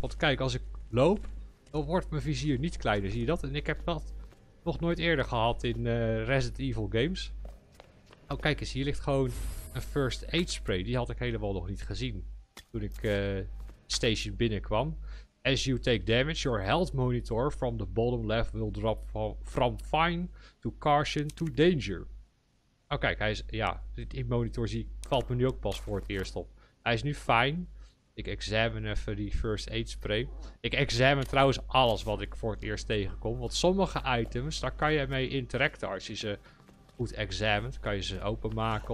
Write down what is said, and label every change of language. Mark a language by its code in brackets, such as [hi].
[nl] Want kijk, als ik loop, dan wordt mijn vizier niet kleiner. Zie je dat? En ik heb dat nog nooit eerder gehad in Resident Evil games. Oh, kijk eens. Hier ligt gewoon een first aid spray. Die had ik helemaal nog niet gezien toen ik station binnenkwam. [en] As you take damage, your health monitor from the bottom left will drop from fine to caution to danger. [nl] Oh, kijk. Hij is, ja, dit monitor zie, valt me nu ook pas voor het eerst op. Hij is nu fijn. Ik examine even die first aid spray. Ik examine trouwens alles wat ik voor het eerst tegenkom. Want sommige items, daar kan je mee interacten. Als je ze goed examined, kan je ze openmaken.